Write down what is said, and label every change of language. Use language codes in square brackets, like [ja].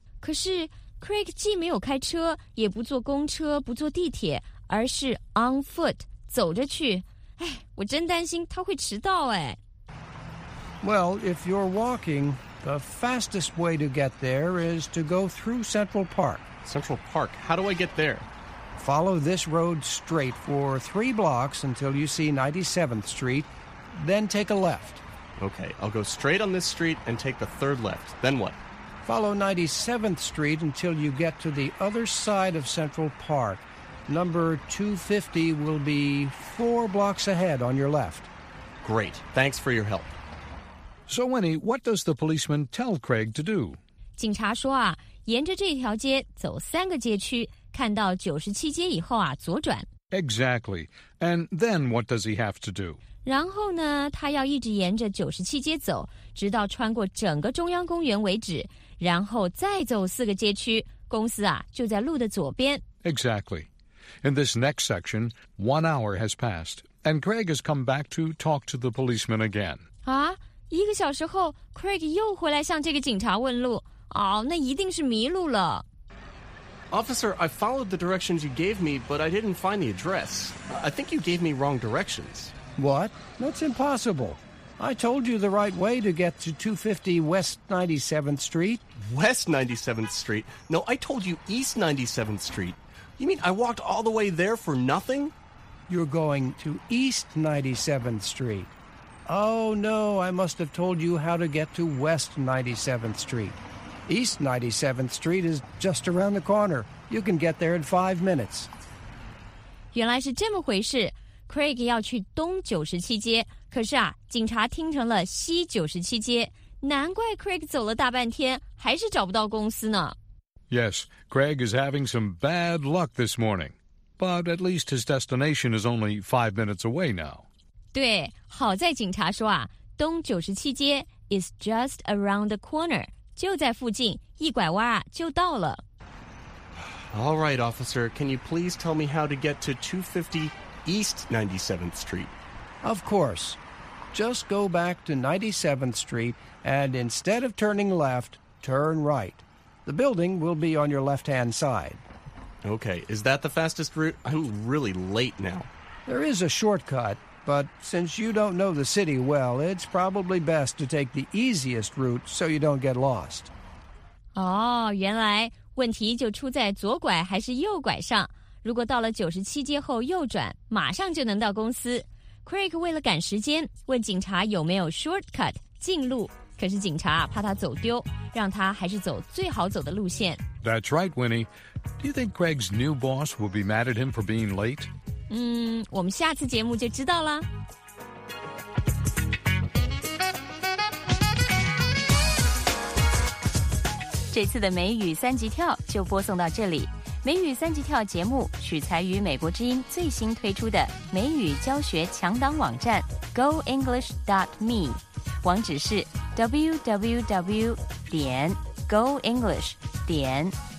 [zh] 可是 Craig 既没有开车，也不坐公车、不坐地铁，而是 [en] on foot [zh] 走着去。哎，我真担心他会迟到哎。 [en] Well, if you're walking, the fastest way to get there is to go through Central Park. Central Park. How do I get there? Follow this road straight for 3 blocks until you see 97th Street, then take a left. Okay, I'll go straight on this street and take the 3rd left. Then what? Follow 97th Street until you get to the other side of Central Park. Number 250 will be 4 blocks ahead on your left. Great. Thanks for your help. So, Winnie, what does the policeman tell Craig to do? [zh] 警察说啊，沿着这条街走三个街区。看到97街以后啊，左转。 [en] Exactly. And then what does he have to do? 然后呢，他要一直沿着97街走，直到穿过整个中央公园为止，然后再走4个街区，公司啊，就在路的左边。 Exactly. In this next section, 1 hour has passed, and Craig has come back to talk to the policeman again. [zh] 啊，一个小时后 ,Craig 又回来向这个警察问路。哦，那一定是迷路了。 [en] Officer, I followed the directions you gave me, but I didn't find the address. I think you gave me wrong directions. What? That's impossible. I told you the right way to get to 250 West 97th Street. West 97th Street? No, I told you East 97th Street. You mean I walked all the way there for nothing? You're going to East 97th Street. Oh, no, I must have told you how to get to West 97th Street. East 97th Street is just around the corner. You can get there in 5 minutes. [zh] 原来是这么回事。 Craig 要去东97街，可是啊，警察听成了西97街。难怪 Craig 走了大半天，还是找不到公司呢。 [en] Yes, Craig is having some bad luck this morning. But at least his destination is only 5 minutes away now. [zh] 对，好在警察说啊，东97街 [en] is just around the corner. [zh] 就在附近，一拐弯啊，就到了。 [en] All right, officer, can you please tell me how to get to 250 East 97th Street? Of course. Just go back to 97th Street, and instead of turning left, turn right. The building will be on your left-hand side. Okay, is that the fastest route? I'm really late now. There is a shortcut, but since you don't know the city well, it's probably best to take the easiest route so you don't get lost. [zh] 哦，原来问题就出在左拐还是右拐上。如果到了97街后右转，马上就能到公司。 Craig 为了赶时间，问警察有没有 shortcut 近路。可是警察怕他走丢，让他还是走最好走的路线。 [en] That's right, Winnie. Do you think Craig's new boss will be mad at him for being late? [zh] 我们下次节目就知道了。这次的美语三级跳就播送到这里。美语三级跳节目取材于美国之音最新推出的美语教学强档网站 goenglish.me， 网址是 www.goenglish.me。